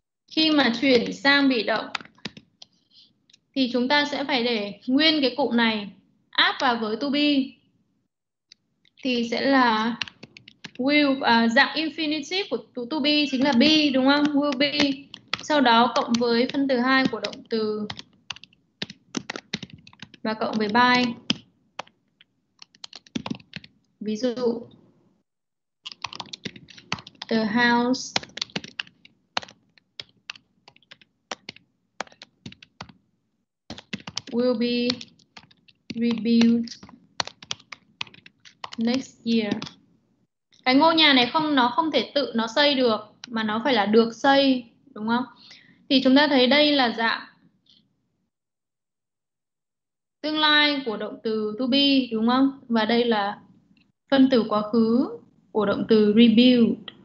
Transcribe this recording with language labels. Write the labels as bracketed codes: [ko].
[vi] Khi mà chuyển sang bị động thì chúng ta sẽ phải để nguyên cái cụm này áp vào với to be. thì sẽ là will, dạng infinitive của to be chính là be đúng không? Will be. Sau đó cộng với phân từ hai của động từ và cộng với by. Ví dụ [en] the house will be rebuilt next year. [vi] Cái ngôi nhà này không, nó không thể tự nó xây được mà nó phải là được xây đúng không? Thì chúng ta thấy đây là dạng tương lai của động từ to be đúng không? Và đây là phân từ quá khứ của động từ rebuild.